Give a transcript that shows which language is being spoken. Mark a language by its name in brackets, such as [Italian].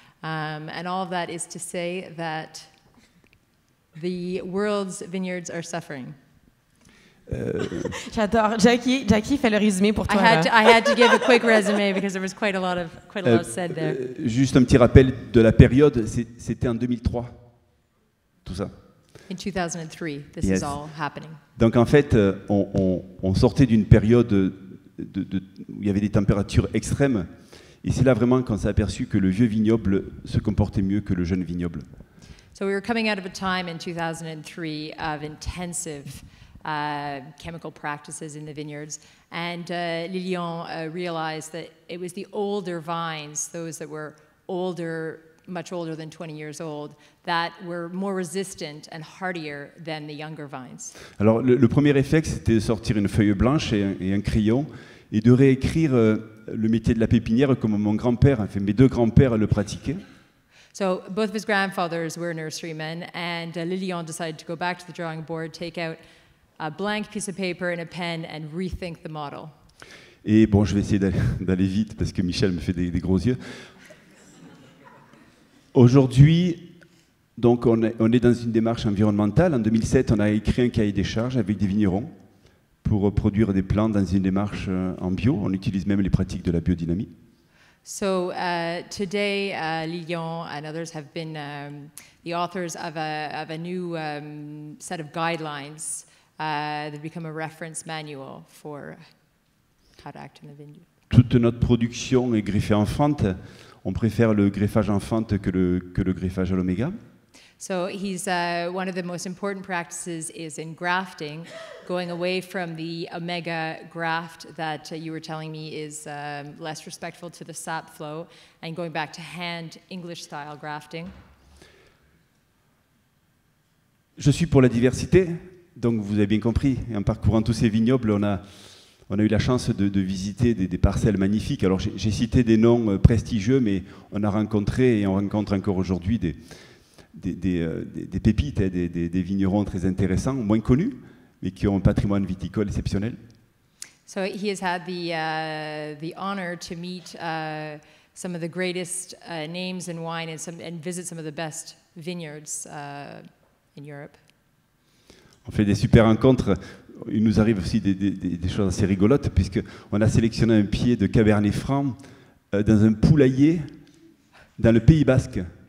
[English] And all of that is to say that the world's vineyards are suffering. [French] J'adore. Jackie fait le résumé pour toi. [English] I had to give a quick resume because there was quite a lot said there. [French] Juste un petit rappel de la période, c'était en 2003, tout ça. [English] In 2003, this is all happening. [French] Donc en fait, on sortait d'une période de où il y avait des températures extrêmes, et c'est là vraiment qu'on s'est aperçu que le vieux vignoble se comportait mieux que le jeune vignoble. [English] So we were coming out of a time in 2003 of intensive chemical practices in the vineyards, and Lilian realized that it was the older vines, those that were older, much older than 20 years old, that were more resistant and hardier than the younger vines. [French] Alors le premier effet, c'était de sortir une feuille blanche et un crayon et de réécrire le métier de la pépinière comme mon grand-père, enfin, mes deux grands-pères le pratiquaient. [English] So both of his grandfathers were nurserymen, and Lilian decided to go back to the drawing board, take out a blank piece of paper and a pen, and rethink the model. [French] Et bon, je vais essayer d'aller vite parce que Michel me fait des gros yeux. Aujourd'hui, donc on est dans une démarche environnementale. En 2007, on a écrit un cahier des charges avec des vignerons pour produire des plantes dans une démarche en bio. On utilise même les pratiques de la biodynamie. [English] So today, Lilian and others have been the authors of a new set of guidelines that have become a reference manual for how to act in the vineyard. [French] Toute notre production est greffée en fente. On préfère le greffage en fente que le greffage à l'oméga. [English] So he's one of the most important practices is in grafting, going away from the omega graft that you were telling me is less respectful to the sap flow, and going back to hand English style grafting. [French] Je suis pour la diversité, donc vous avez bien compris. Et en parcourant tous ces vignobles, on a eu la chance de visiter des parcelles magnifiques. Alors j'ai cité des noms prestigieux, mais on a rencontré et on rencontre encore aujourd'hui des pépites, des vignerons très intéressants, moins connus, mais qui ont un patrimoine viticole exceptionnel. [English] So he has had the honor to meet some of the greatest names in wine and visit some of the best vineyards in Europe. [French] On fait des super rencontres. Il nous arrive aussi des choses assez rigolotes, puisque on a sélectionné un pied de Cabernet Franc dans un poulailler dans le Pays Basque.